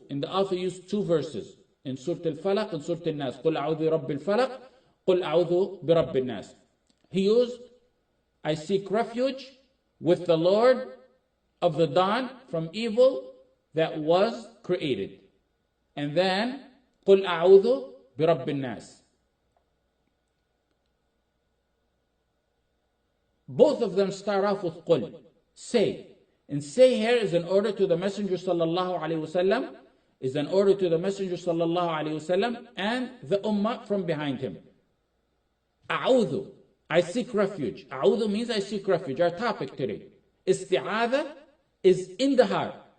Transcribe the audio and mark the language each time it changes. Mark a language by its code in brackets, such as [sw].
[en] And the author used two verses in Surah Al-Falaq and Surah Al-Nas. [ar] قُلْ أَعُوذُ بِرَبِّ الْفَلَقِ قُلْ أَعُوذُ بِرَبِّ النَّاسِ. [en] He used, I seek refuge with the Lord of the dawn from evil that was created. And then, [ar] قُلْ أَعُوذُ بِرَبِّ النَّاسِ. [en] Both of them start off with قُلْ, say. And say here is an order to the Messenger sallallahu alayhi wa sallam, is an order to the Messenger sallallahu alayhi wa sallam and the ummah from behind him. أَعُوذُ, I seek refuge. أَعُوذُ means I seek refuge, our topic today. Isti'adha is in the heart.